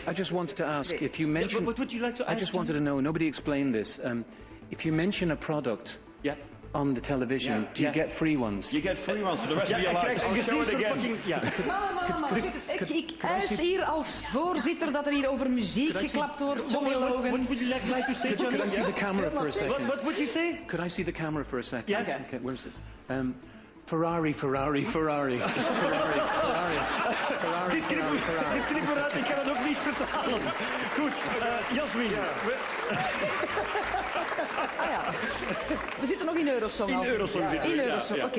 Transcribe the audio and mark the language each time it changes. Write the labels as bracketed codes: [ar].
[en] I just wanted to ask if you mentioned. Yeah, what would you like to ask? I just wanted to know. Nobody explained this. If you mention a product on the television, do you get free ones? You get free ones for the rest of your life. [nl] Ik krijg een gezicht voor Mama. Ik eis hier als voorzitter dat er hier over muziek geklapt wordt. [en] What would you like to say, John? Could I see the camera for a second? What would you say? Could I see the camera for a second? Yeah. Okay. Where is it? Ferrari. [nl] Dit knippen we uit, ik kan het ook niet vertalen. Goed, Jasmin. Ja. We zitten nog in Eurosong. In Eurosong zitten we. In Eurosong, ja. Oké.